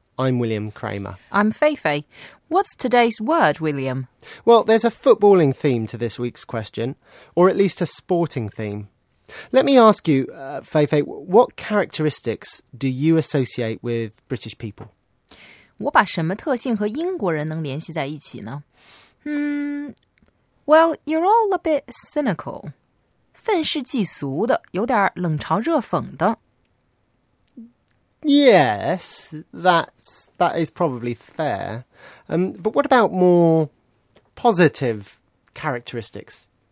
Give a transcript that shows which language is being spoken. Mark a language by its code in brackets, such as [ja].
[en] I'm William Cramer. I'm Feifei. What's today's word, William? Well, there's a footballing theme to this week's question, or at least a sporting theme. Let me ask you, Feifei, what characteristics do you associate with British people? [zh] 我把什么特性和英国人能联系在一起呢？ [en] Well, you're all a bit cynical. [zh] 愤世嫉俗的，有点冷嘲热讽的。 [en] Yes, that is probably fair. But what about more positive characteristics?